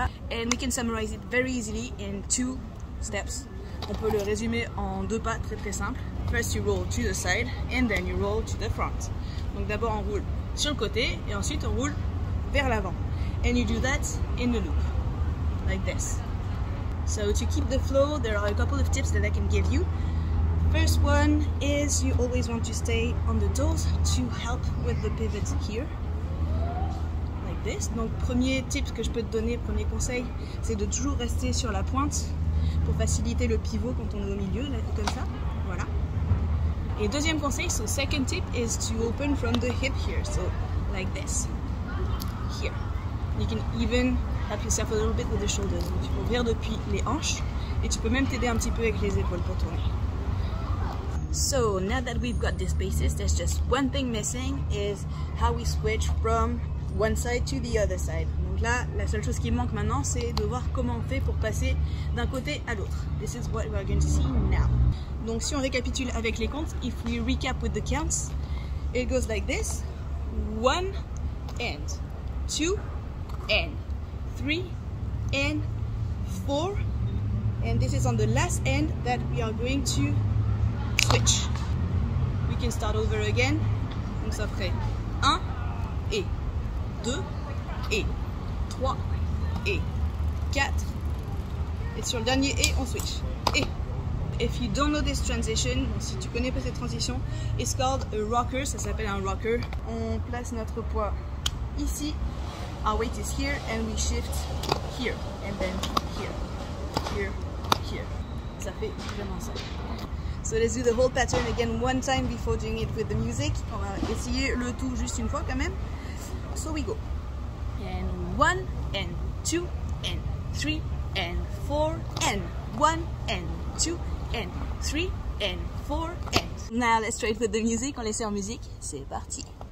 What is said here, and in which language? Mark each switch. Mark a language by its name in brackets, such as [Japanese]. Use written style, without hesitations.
[English] And we can summarize it very easily in two steps. [French] On peut le résumer en deux pas très très simples. [English] First you roll to the side and then you roll to the front. [French] Donc d'abord on roule sur le côté et ensuite on roule vers l'avant. [English] And you do that in a loop, like this. So to keep the flow, there are a couple of tips that I can give you. First one is you always want to stay on the toes to help with the pivot here. [French] Donc premier tip que je peux te donner, premier conseil, c'est de toujours rester sur la pointe pour faciliter le pivot quand on est au milieu, là, comme ça, voilà. Et deuxième conseil, [English] so second tip is to open from the hip here, so like this, here. You can even help yourself a little bit with the shoulders. [French] Donc tu peux ouvrir depuis les hanches et tu peux même t'aider un petit peu avec les épaules pour tourner. [English] So now that we've got these bases, there's just one thing missing is how we switch from one side to the other side. [French] Donc là, la seule chose qui manque maintenant, c'est de voir comment on fait pour passer d'un côté à l'autre. [English] This is what we're going to see now. [French] Donc si on récapitule avec les comptes, [English] if we recap with the counts, it goes like this. One, and. Two, and. Three, and. Four. And this is on the last end that we are going to switch. We can start over again. [French] Donc ça ferait un, et. 2 et 3 et 4 et sur le dernier et on switch. [English] Et if you don't know this transition, [French] si tu connais pas cette transition, [English] it's called a rocker, [French] ça s'appelle un rocker. On place notre poids ici, [English] our weight is here and we shift here and then here, here, here. [French] Ça fait vraiment ça. [English] So let's do the whole pattern again one time before doing it with the music. [French] On va essayer le tout juste une fois quand même. [English] So we go, and one, and two, and three, and four, and one, and two, and three, and four, and. Now let's try it with the music, [French] on laisse en musique, c'est parti.